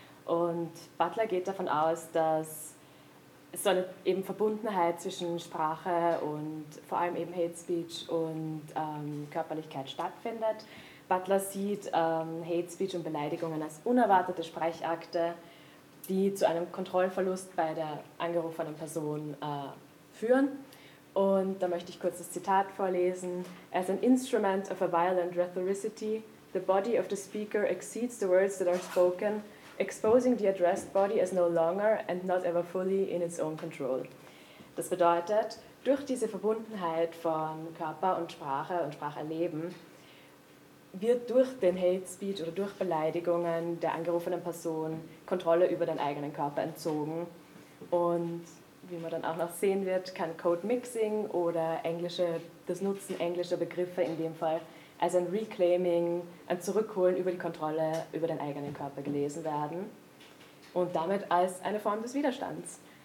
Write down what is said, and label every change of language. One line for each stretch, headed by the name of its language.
German: Und Butler geht davon aus, dass so eine eben Verbundenheit zwischen Sprache und vor allem eben Hate Speech und Körperlichkeit stattfindet. Butler sieht Hate Speech und Beleidigungen als unerwartete Sprechakte, die zu einem Kontrollverlust bei der angerufenen Person führen. Und da möchte ich kurz das Zitat vorlesen.
English: As an instrument of a violent rhetoricity, the body of the speaker exceeds the words that are spoken, exposing the addressed body as no longer and not ever fully in its own control.
German: Das bedeutet, durch diese Verbundenheit von Körper und Sprache und Spracherleben wird durch den Hate Speech oder durch Beleidigungen der angerufenen Person Kontrolle über den eigenen Körper entzogen. Und wie man dann auch noch sehen wird, kann Code Mixing oder das Nutzen englischer Begriffe in dem Fall als ein Reclaiming, ein Zurückholen über die Kontrolle über den eigenen Körper gelesen werden und damit als eine Form des Widerstands.